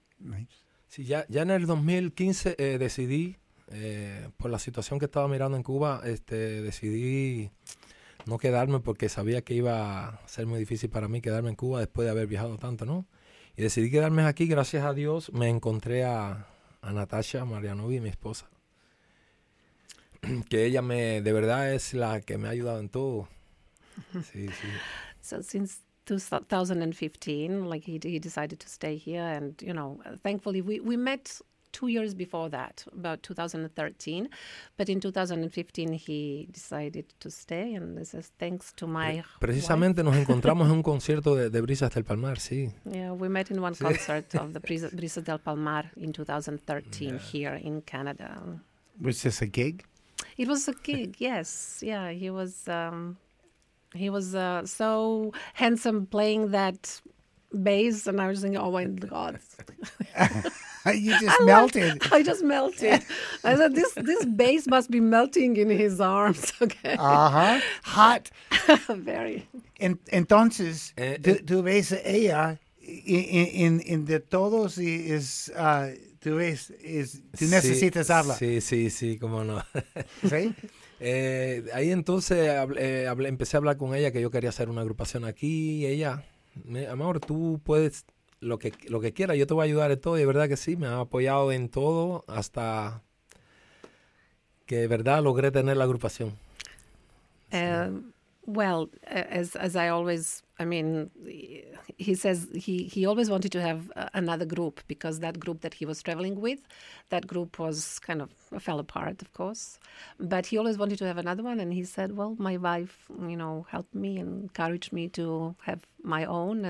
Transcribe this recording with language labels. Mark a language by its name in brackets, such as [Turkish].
[Spanish] Nice. Sí, ya en el 2015 decidí, por la situación que estaba mirando en Cuba, decidí no quedarme porque sabía que iba a ser muy difícil para mí quedarme en Cuba después de haber viajado tanto, ¿no? Y decidí quedarme aquí. Gracias a Dios me encontré a Natasha Marianovi, mi esposa. Que ella me, de verdad, es la que me ha ayudado en todo. Sí, sí. [English] So since 2015, like he decided to stay here, and you know, thankfully we met 2 years before that, about 2013, but in 2015 he decided to stay, and this is thanks to my. [Spanish] Precisamente [English] wife. [Spanish] Nos encontramos en un concierto de Brisas del Palmar, sí. [English] Yeah, we met in one concert of the Brisas del Palmar in 2013 here in Canada. Was this a gig? It was a gig, yes. Yeah, he was so handsome playing that bass, and I was thinking, oh my God. You just melted. I just melted. I said, this bass must be melting in his arms, okay? Uh-huh. Hot. Very. [Spanish] Entonces, tu ves ella in de todos y es... Tú necesitas sí, hablar. Sí, sí, sí, cómo no. ¿Sí? Ahí entonces empecé a hablar con ella que yo quería hacer una agrupación aquí. Y ella, amor, tú puedes lo que quieras. Yo te voy a ayudar en todo. Y de verdad que sí, me ha apoyado en todo hasta que de verdad logré tener la agrupación. [English] He says he always wanted to have another group because that group that he was traveling with, that group was kind of fell apart, of course. But he always wanted to have another one. And he said, well, my wife, you know, helped me and encouraged me to have my own.